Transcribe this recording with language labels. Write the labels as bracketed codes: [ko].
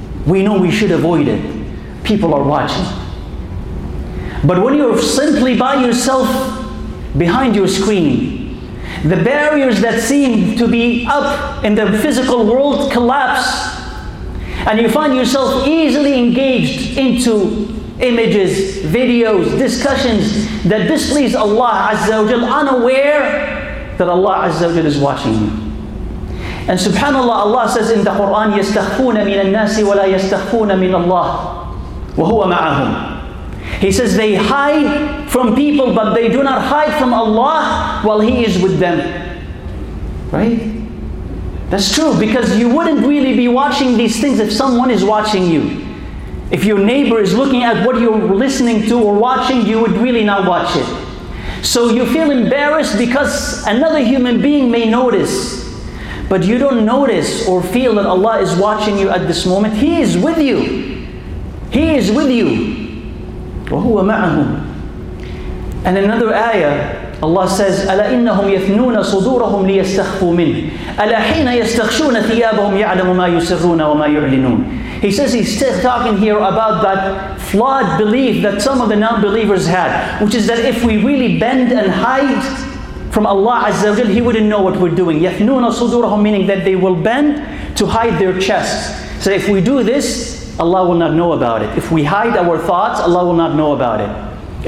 [en] We know we should avoid it. People are watching. But when you're simply by yourself, behind your screen, the barriers that seem to be up in the physical world collapse. And you find yourself easily engaged into images, videos, discussions that displease Allah Azza wa Jal, unaware that Allah Azza wa Jal is watching you. And subhanAllah, Allah says in the Quran, [ar] يَسْتَخْفُونَ مِنَ النَّاسِ وَلَا يَسْتَخْفُونَ مِنَ اللَّهِ وَهُوَ مَعَهُمْ. [en] He says they hide from people, but they do not hide from Allah while He is with them. Right? That's true, because you wouldn't really be watching these things if someone is watching you. If your neighbor is looking at what you're listening to or watching, you would really not watch it. So you feel embarrassed because another human being may notice. But you don't notice or feel that Allah is watching you at this moment. He is with you. He is with you. [ar] وَهُوَ مَعَهُمْ. [en] And another ayah, Allah says, [ar] أَلَا إِنَّهُمْ يَثْنُونَ صُدُورَهُمْ لِيَسْتَخْفُوا مِنْهِ أَلَا حِينَ يَسْتَخْشُونَ ثِيَابَهُمْ يَعْلَمُ مَا يُسِرُّونَ وَمَا يُعْلِنُونَ. [en] He says he's still talking here about that flawed belief that some of the non-believers had, which is that if we really bend and hide from Allah Azza wa Jal, He wouldn't know what we're doing. [ar] يَثْنُونَ صُدُورَهُمْ, [en] meaning that they will bend to hide their chests. So if we do this, Allah will not know about it. If we hide our thoughts, Allah will not know about it.